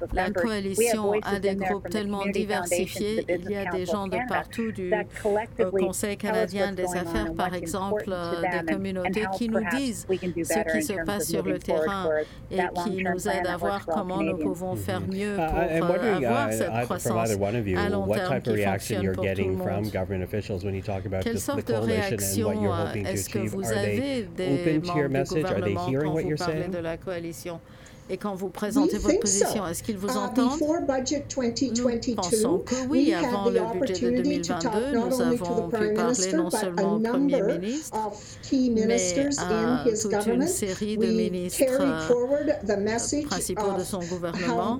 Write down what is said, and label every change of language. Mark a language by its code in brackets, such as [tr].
[fr] La coalition a des groupes tellement diversifiés. Il y a des gens de partout, du Conseil canadien des affaires, par exemple, des communautés qui nous disent ce qui se passe sur le terrain et qui nous aident à voir comment nous pouvons faire mieux pour avoir cette croissance. [en] What type of reaction you're getting from government officials when you talk about the coalition and what you're hoping to achieve? Are they open to your message? Are they hearing what you're saying? [fr] Et quand vous présentez votre position, est-ce qu'ils vous entendent? Nous pensons que oui, avant le budget de 2022, nous avons pu parler non seulement au Premier ministre, mais à toute une série de ministres principaux de son gouvernement.